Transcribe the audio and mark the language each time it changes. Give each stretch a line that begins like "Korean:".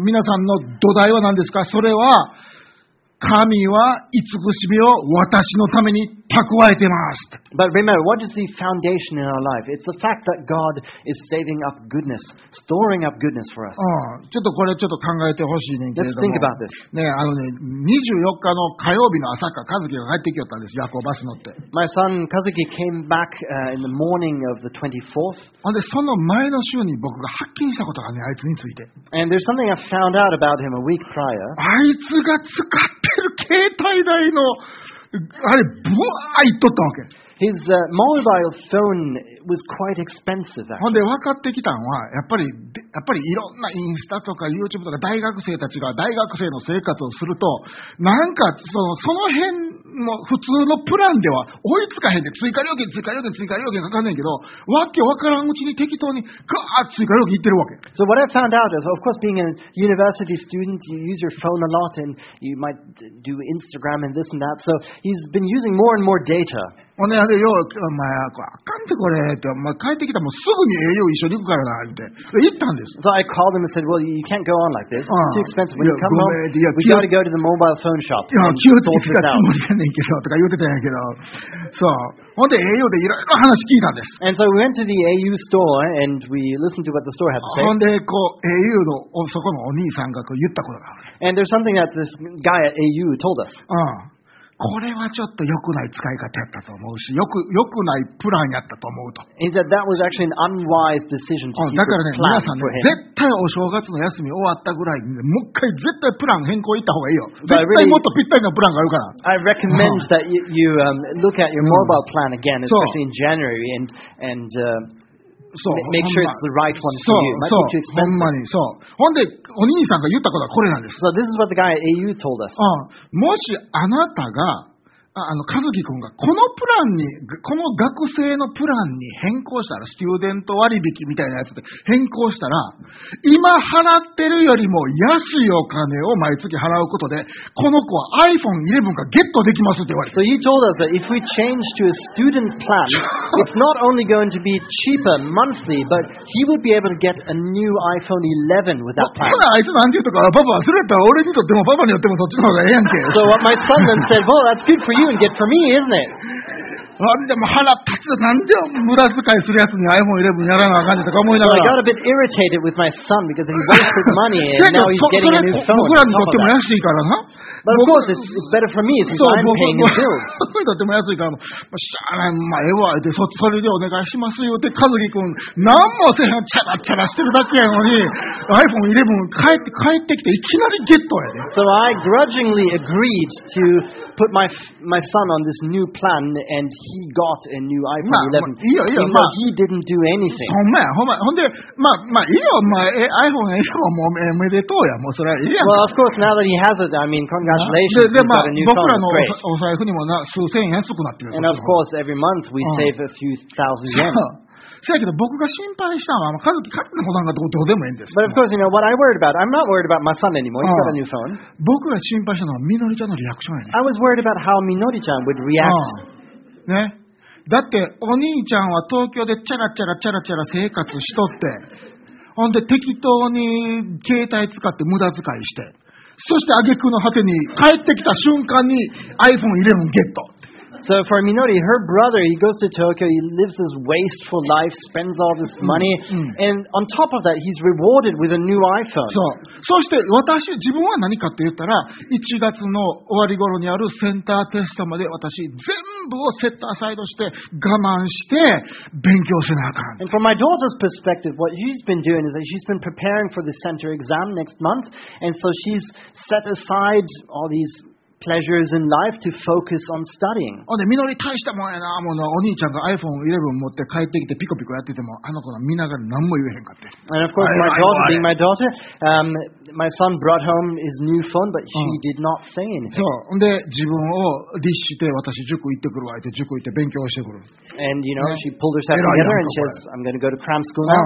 Japanese: 皆さんの土台は何ですか？それは神は慈しみを私のために蓄えてます。
English: But remember, what is the foundation in our life? It's the fact that God is saving up goodness, storing up goodness for us.
Japanese: ちょっとこれちょっと考えてほしいねんけれども。
English: Let's think about this.
Japanese: ね、あのね、24日の火曜日の朝か、和樹が帰ってきよったんです。夜行バス乗って。
English: My son Kazuki came back in the morning of the 24th.
Japanese: で、その前の週に僕が発見したことがね、あいつについて。
English: And there's something I found out about him a week prior.
Japanese: あいつが使ってる携帯代のあれブワーいっとったわけ。
English: His mobile phone was quite expensive, actually.
Japanese: ほんで分かってきたのはやっぱりいろんなインスタとか YouTube とか大学生たちが大学生の生活をするとなんかその辺の普通のプランでは追いつかへんで追加料金追加料金追加料金かかんねんけどわけ分からんうちに適当にガーッ追加料金いってるわけ。
English: So what I found out is, of course, being a university student, you use your phone a lot and you might do Instagram and this and that. So he's been using more and more data.
Japanese: おねあれよお前あかんてこれってお前帰ってきたらもうすぐに AU 一緒に行くからなって言ったんです。
English: So I called him and said, well, you can't go on like this. It's too expensive. When you come home, we got to go to the mobile phone shop.
Japanese: いや気をつけたつもりやねんけどとか言ってたんやけど、そう。ほんで AU でいろいろ話聞いたんです。
English: And so we went to the AU store and we listened to what the store had to say.
Japanese: ほんでこう AU のそこのお兄さんがこう言ったことがある。
English: And there's something that this guy at AU told us.
Japanese: これはちょっと良くない使い方やったと思うし、良くないプランやったと思うと。
English: That was actually an unwise decision to keep
Japanese: だからね、皆さんね、絶対お正月の休み終わったぐらいに、ね、もう一回絶対プラン変更いった方がいいよ。絶対もっとぴったりなプランがあるから。
English: I recommend that you look at your mobile plan again, especially in January, and make sure it's the right one for you. Might be too expensive.
Japanese: ほんまに、そう。ほんで、お兄さんが言ったことはこれなんです。
English: So this is what the guy at AU told us.
Japanese: もしあなたが、カズキ君がこのプランに、この学生のプランに変更したら、スチューデント割引みたいなやつで変更したら、今払ってるよりも安いお金を毎月払うことで、この子は iPhone 11がゲットできますって言われて。
English: So he told us that if we change to a student plan, it's not only going to be cheaper monthly, but he would be able to get a new iPhone 11 with that plan.
Japanese: ほら、あいつ何て言うとか、パパ忘れたら俺にとってもパパによってもそっちの方がええやんけ。
English: So what my son then said, well, that's good for you and get for me, isn't it?
Japanese: なんでも腹立つ、なんで無駄遣いするやつに iPhone 11やらなあかんねんとか思いながら。
English: I got a bit irritated with my son because he wasted money and now he's getting a new phone.
Japanese: 僕らにとっても安いからな。
English: But of course, it's better for me since I'm paying his bills.
Japanese: 僕にとっても安いからも、しゃあない、まあええわ、で、それでお願いしますよって、カズキ君、なんもせへん、チャラチャラしてるだけやのに、iPhone 11帰ってきて、いきなりゲットやで。
English: So I grudgingly agreed to put my son on this new plan and he got a new iPhone 11.
Japanese: いいよいいよ。
English: まあ、he didn't do anything.
Japanese: ほんまや、ほんま、ほんで、まあ、まあ、いいよ、まあ、iPhone 11はもうおめでとうや、もうそれはいいやん。
English: Well, of course, now that he has it, I mean, congratulations.
Japanese: で、まあ、僕らのお財布にもな、数千円安くなってる。
English: And of course, every month we save a few thousand yen.
Japanese: せやけど僕が心配したのは、カズキ、カズキの子なんかどうでもいいんです。
English: But of course, you know, what I worried about, I'm not worried about my son anymore. He's got a new phone.
Japanese: 僕が心配したのは、みのりちゃんのリアクションやね。
English: I was worried about how みのりちゃん would react.
Japanese: ね。だって、お兄ちゃんは東京でチャラチャラチャラチャラ生活しとって、ほんで適当に携帯使って無駄遣いして、そして挙句の果てに帰ってきた瞬間に iPhone 11ゲット。
English: So for Minori, her brother, he goes to Tokyo, he lives this wasteful life, spends all this money, and on top of that, he's rewarded with a new iPhone.
Japanese: そう。そして私、自分は何かって言ったら、1月の終わり頃にあるセンターテストまで私、全部をセットアサイドして、我慢して、勉強せなあかん。
English: And from my daughter's perspective, what she's been doing is that she's been preparing for the center exam next month, and so she's set aside all these... pleasures in life to focus on studying.
Japanese: おでみのり大したもんやな、もうお兄ちゃんが iPhone 11持って帰ってきてピコピコやってても、あの子は見ながら何も言えへんかって。
English: And of course, my daughter, being my daughter, my son brought home his new phone, but he did not say anything.
Japanese: そう、で自分を律して私塾行ってくるわ、塾行って勉強してくる。
English: And you know, she pulled herself together and says, I'm going to go to cram school now.